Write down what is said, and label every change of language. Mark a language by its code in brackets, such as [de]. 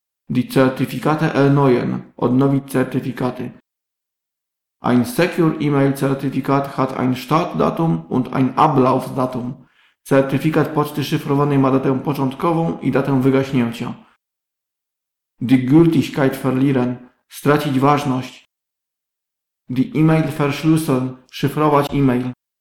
[de] Die Zertifikate erneuern. [pl] Odnowić certyfikaty. [de] Ein Secure-E-Mail-Zertifikat hat ein Startdatum und ein Ablaufdatum. [pl] Zertyfikat poczty szyfrowanej ma datę początkową i datę wygaśnięcia. [de] Die Gültigkeit verlieren. [pl] Stracić ważność. [de] Die E-Mail verschlüsseln. [pl] Szyfrować e-mail.